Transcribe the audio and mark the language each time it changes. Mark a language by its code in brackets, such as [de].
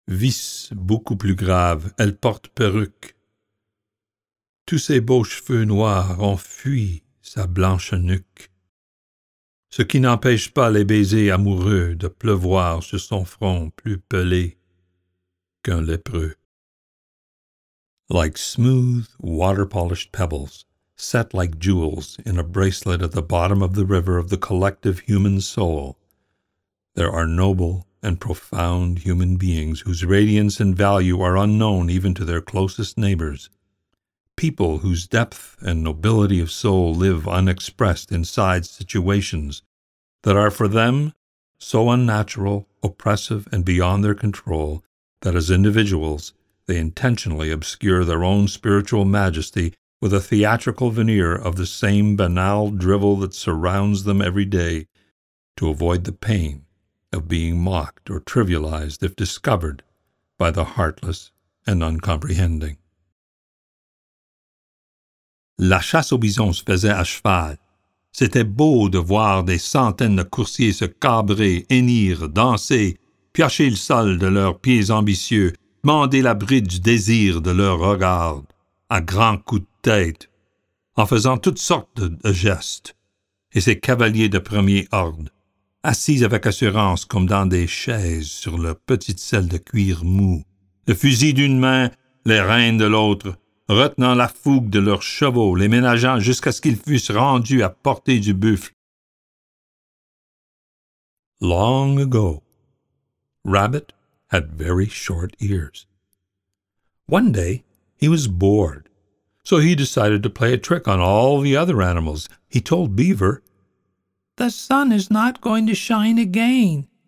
[fr] Vice beaucoup plus grave, elle porte perruque. Tous ses beaux cheveux noirs ont fui sa blanche nuque. Ce qui n'empêche pas les baisers amoureux de pleuvoir sur son front plus pelé qu'un lépreux. [en] Like smooth, water-polished pebbles, set like jewels in a bracelet at the bottom of the river of the collective human soul, there are noble and profound human beings whose radiance and value are unknown even to their closest neighbors, people whose depth and nobility of soul live unexpressed inside situations that are for them so unnatural, oppressive, and beyond their control that as individuals they intentionally obscure their own spiritual majesty with a theatrical veneer of the same banal drivel that surrounds them every day to avoid the pain of being mocked or trivialized if discovered by the heartless and uncomprehending. [fr] La chasse aux bisons se faisait à cheval. C'était beau de voir des centaines de coursiers se cabrer, hennir, danser, piocher le sol de leurs pieds ambitieux, demander la bride du désir de leurs regards, à grands coups de tête, en faisant toutes sortes de gestes. Et ces cavaliers de premier ordre, assis avec assurance comme dans des chaises sur leur petite selle de cuir mou, le fusil d'une main, les rênes de l'autre, retenant la fougue de leurs chevaux, les ménageant jusqu'à ce qu'ils fussent rendus à portée du buffle. [en] Long ago, Rabbit had very short ears. One day, he was bored, so he decided to play a trick on all the other animals. He told Beaver, "The sun is not going to shine again."